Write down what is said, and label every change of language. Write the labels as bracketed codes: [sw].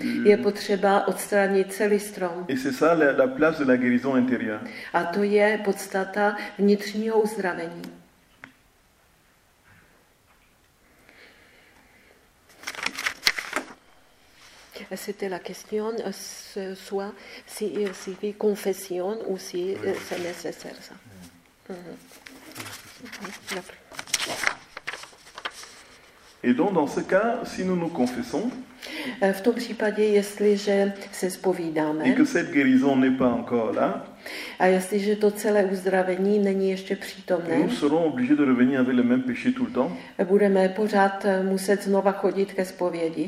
[cs] Je potřeba odstranit celý strom. [fr] Et c'est ça la place de la guérison intérieure. [cs] A to je podstata vnitřního uzdravení. [fr] C'était la question soit si fait confession ou si c'est nécessaire ça. Et donc dans ce cas, si nous nous confessons, [cs] v tom případě, jestliže se zpovídáme, [fr] et que cette guérison n'est pas encore là, [cs] a jestliže to celé uzdravení není ještě přítomné, [fr] nous serons obligés de revenir avec le même péché tout le temps, [cs] budeme pořád muset znova chodit ke zpovědi,